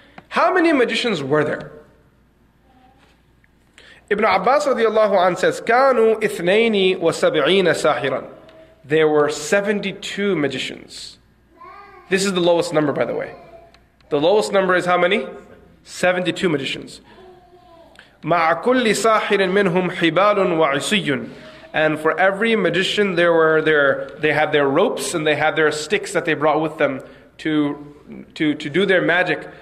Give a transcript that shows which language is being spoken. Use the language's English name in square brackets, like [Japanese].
[English] How many magicians were there? Ibn Abbas radiallahu anhu says, [Arabic] كانوا اثنين وسبعين ساحرا. [English] There were 72 magicians. This is the lowest number, by the way. The lowest number is how many? 72 magicians. [Arabic] مع كل ساحر منهم حبال وعصي. [English] And for every magician, they had their ropes and they had their sticks that they brought with them to do their magic.